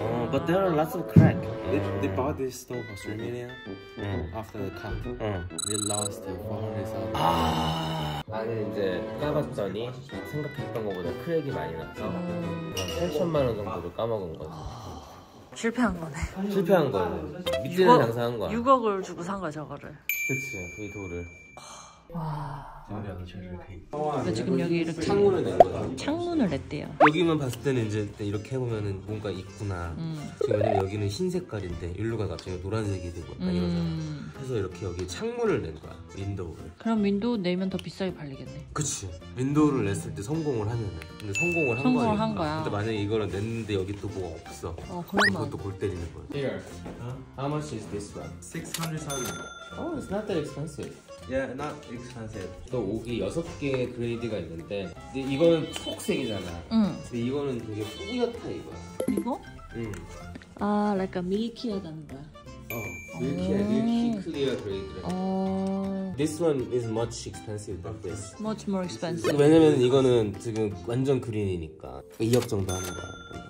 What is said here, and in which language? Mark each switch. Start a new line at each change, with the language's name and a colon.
English: But there are lots of crack. They bought this store for 3 million. After the cut, they lost 400,000.
Korean: 아. 나는 이제 까봤더니 생각했던 것보다 크랙이 많이 났어. 8천만 원 정도를 까먹은 거지. 실패한 거네. 실패한 거네. 밑에는 장사한 거야. 6억을 주고 산 거야 저거를. 그치, 이 돌을. 와. 지금 여기 이렇게 창문을 낸 거다. 창문을 냈대요. 여기만 봤을 때는 이제 일단 이렇게 해보면 뭔가 있구나. 지금 왜냐면 여기는 흰색깔인데 일로가 갑자기 노란색이 되고 이러잖아. 그래서 이렇게 여기 창문을 낸 거야. 윈도우를. 그럼 윈도우 내면 더 비싸게 팔리겠네. 그치. 윈도우를 냈을 때 성공을 하면. 근데 성공을 한 성공을 거 아닌가? 한 거야. 근데 만약에 이거를 냈는데 여기 또 뭐가 없어. 그러면 그것도 골 때리는 거야.
English: Here. Huh? How much is this one? 600,000. Oh, it's not that expensive. Yeah, not expensive.
Korean: 또 오기 6개의 그레이드가 있는데 근데 이거는 초록색이잖아. 응. 근데 이거는 되게 뿌옇다 이거. 이거? 응. 아, 약간 밀키하다는 거야. 밀키야, 밀키 클리어 그레이드래. 어.
English: This one is much expensive than this. Much more expensive.
Korean: 왜냐면 이거는 지금 완전 그린이니까 2억 정도 하는 거야.